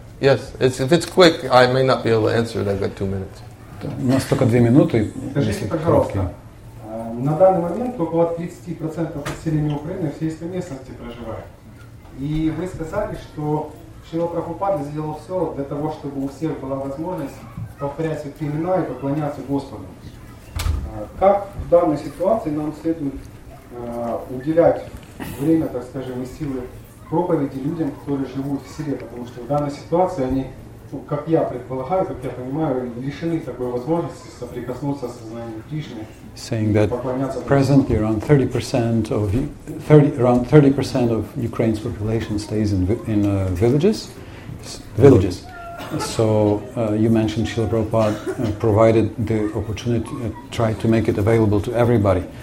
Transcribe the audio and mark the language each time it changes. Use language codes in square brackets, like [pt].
[en] Yes, if it's quick, I may not be able to answer it. I've got 2 minutes. [ru] У нас только 2 минуты. Скажите, пожалуйста, на данный момент около 30% населения Украины в сельской местности проживает. И вы сказали, что Шрила Прабхупада сделал все для того, чтобы у всех была возможность повторять святые имена и поклоняться Господу. Как в данной ситуации нам следует уделять время, так скажем, и силы проповеди людям, которые живут в селе? Потому что в данной ситуации они, ну, как я предполагаю, как я понимаю, лишены такой возможности соприкоснуться с сознанием Кришны. [en] Saying that presently around 30% of Ukraine's population stays in villages. So you mentioned Srila Prabhupada provided the opportunity, tried to make it available to everybody.